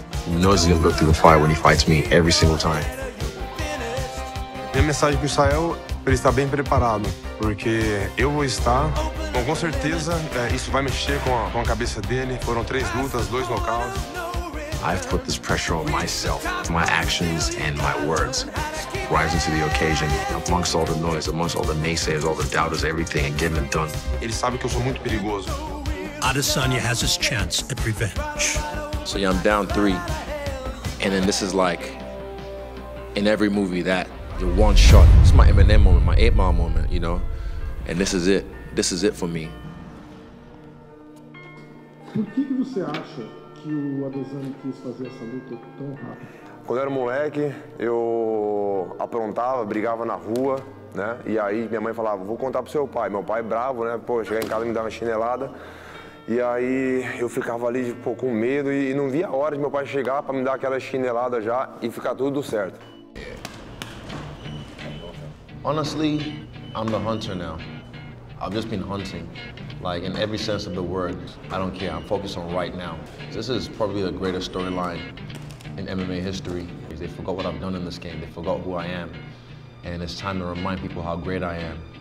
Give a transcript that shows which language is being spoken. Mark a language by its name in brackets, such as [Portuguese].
[English] He knows he's gonna go through the fire when he fights me every single time. [Portuguese] Minha mensagem para Israel, ele está bem preparado. Porque eu vou estar, bom, com certeza, isso vai mexer com a cabeça dele. Foram três lutas, dois nocautes. [English] I've put this pressure on myself, my actions and my words. Rising to the occasion, amongst all the noise, amongst all the naysayers, all the doubters, everything, and getting it done. [Portuguese] Ele sabe que eu sou muito perigoso. [English] Adesanya has his chance at revenge. So yeah, I'm down 3. And then this is like, in every movie that, the one shot. It's my Eminem moment, my 8 Mile moment, you know? And this is it. This is it for me. [Portuguese] Por que você acha que o Adesanya quis fazer essa luta tão rápido? Quando eu era moleque, eu aprontava, brigava na rua, né? E aí minha mãe falava, vou contar pro seu pai. Meu pai bravo, né? Pô, chegar em casa e me dar uma chinelada. E aí eu ficava ali, pô, com medo e não via a hora de meu pai chegar pra me dar aquela chinelada já e ficar tudo certo. [English] Honestly, I'm the hunter now. I've just been hunting, like in every sense of the word. I don't care, I'm focused on right now. This is probably the greatest storyline in MMA history. They forgot what I've done in this game, they forgot who I am. And it's time to remind people how great I am.